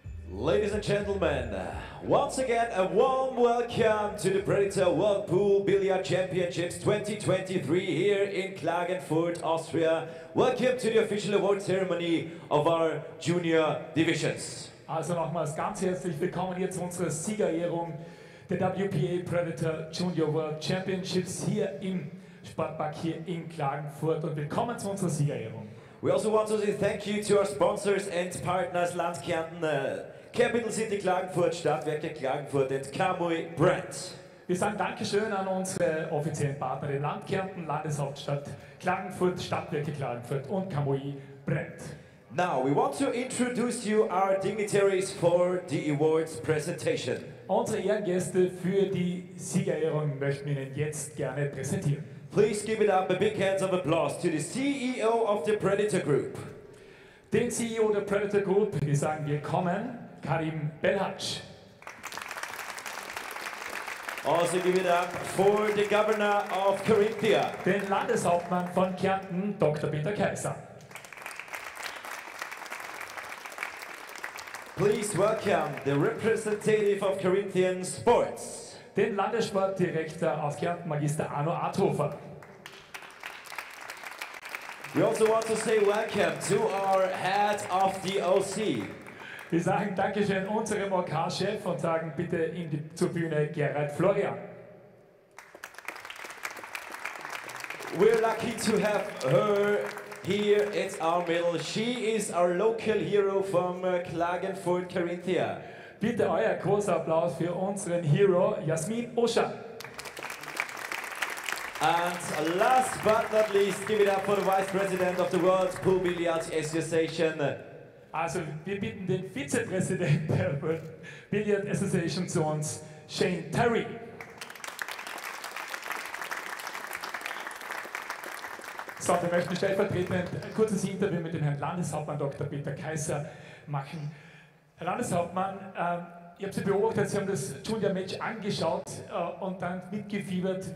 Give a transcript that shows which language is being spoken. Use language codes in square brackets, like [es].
[en] Ladies and gentlemen, once again, a warm welcome to the Predator World Pool Billiard Championships 2023 here in Klagenfurt, Austria. Welcome to the official award ceremony of our junior divisions. [de] Also nochmals ganz herzlich willkommen hier zu unserer Siegerehrung der WPA Predator Junior World Championships hier im Sportpark hier in Klagenfurt und willkommen zu unserer Siegerehrung. [en] We also want to say thank you to our sponsors and partners, Land Kärnten, Capital City Klagenfurt, Stadtwerke Klagenfurt und Kamui Brand. [de] Wir sagen Dankeschön an unsere offiziellen Partner in Land Kärnten, Landeshauptstadt Klagenfurt, Stadtwerke Klagenfurt und Kamui Brand. [en] Now we want to introduce you our dignitaries for the awards presentation. [de] Unsere Ehrengäste für die Siegerehrung möchten wir Ihnen jetzt gerne präsentieren. [en] Please give it up a big hands of applause to the CEO of the Predator Group. [de] Den CEO der Predator Group, wir sagen willkommen. Karim Belhac. [en] Also give it up for the governor of Carinthia. [de] Den Landeshauptmann von Kärnten, Dr. Peter Kaiser. [en] Please welcome the representative of Carinthian Sports. [de] Den Landessportdirektor aus Kärnten, Magister Arno Arthofer. [en] We also want to say welcome to our head of the OC. [de] Wir sagen Dankeschön unserem OK-Chef und sagen bitte in die, zur Bühne Gerhard Florian. [en] We're lucky to have her here at our middle. She is our local hero from Klagenfurt, Carinthia. [de] Bitte euer großer Applaus für unseren Hero Jasmin Oscher. [en] And last but not least, give it up for the Vice President of the World Pool Billiards Association. [de] Also, wir bitten den Vizepräsidenten der World Billiard Association zu uns, Shane Terry. So, wir möchten stellvertretend ein kurzes Interview mit dem Herrn Landeshauptmann Dr. Peter Kaiser machen. Herr Landeshauptmann, ich habe Sie beobachtet, Sie haben das Junior-Match angeschaut und dann mitgefiebert.